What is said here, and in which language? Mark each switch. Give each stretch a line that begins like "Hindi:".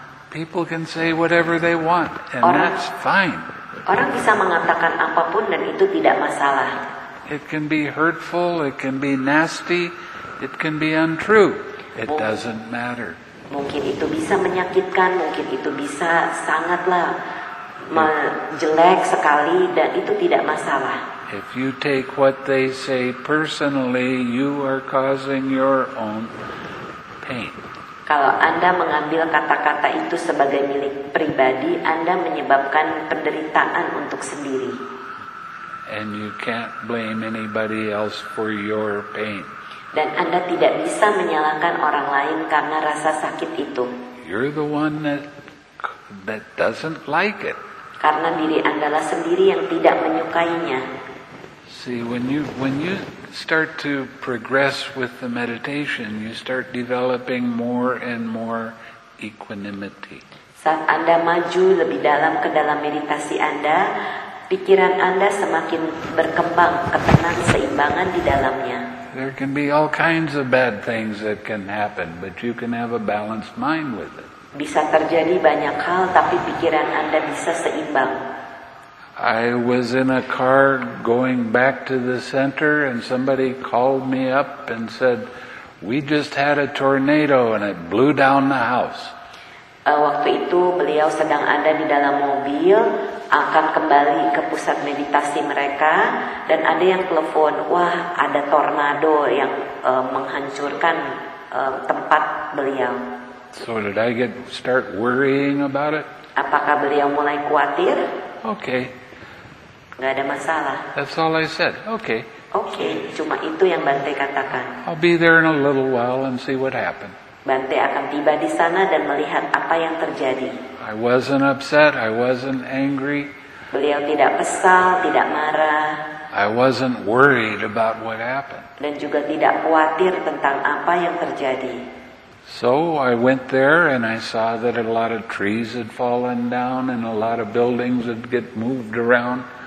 English: People can say whatever they want, and orang, that's fine.
Indonesian: Orang bisa mengatakan apapun dan itu tidak masalah.
English: It can be hurtful, it can be nasty, it can be untrue. It doesn't matter.
Indonesian: Mungkin itu bisa menyakitkan, mungkin itu bisa sangatlah jelek sekali dan itu tidak masalah.
English: If you take what they say personally, you are causing your own pain.
Indonesian: Kalau Anda mengambil kata-kata itu sebagai milik pribadi, Anda menyebabkan penderitaan untuk sendiri.
English: And you can't blame anybody else for your pain.
Indonesian: Dan Anda tidak bisa menyalahkan orang lain karena rasa sakit itu.
English: You're the one that doesn't like it.
Indonesian: Karena diri Anda lah sendiri yang tidak menyukainya.
English: See, when you start to progress with the meditation, you start developing more and more equanimity.
Indonesian: Saat Anda maju lebih dalam ke dalam meditasi Anda, pikiran Anda semakin berkembang, ketenangan, keseimbangan di dalamnya.
English: There can be all kinds of bad things that can happen, but you can have a balanced mind with it.
Indonesian: Bisa terjadi banyak hal, tapi pikiran Anda bisa seimbang.
English: I was in a car going back to the center and somebody called me up and said, "We just had a tornado and it blew down the house."
Indonesian: Waktu itu beliau sedang ada di dalam mobil akan kembali ke pusat meditasi mereka dan ada yang telepon, "Wah, ada tornado yang menghancurkan tempat beliau."
English: So did I start worrying about it?
Indonesian: Apakah beliau mulai khawatir?
English: Okay.
Indonesian: Enggak ada masalah.
English: That's all I said. Okay.
Indonesian: Okay, cuma itu yang Bante katakan.
English: I'll be there in a little while and see what happened.
Indonesian: Bante akan tiba di sana dan melihat apa yang terjadi.
English: I wasn't upset, I wasn't angry.
Indonesian: Beliau tidak kesal, tidak marah.
English: I wasn't worried about what happened.
Indonesian: Dan juga tidak khawatir tentang apa yang terjadi.
English: So I went there and I saw that a lot of trees had fallen down and a lot of buildings had get moved around.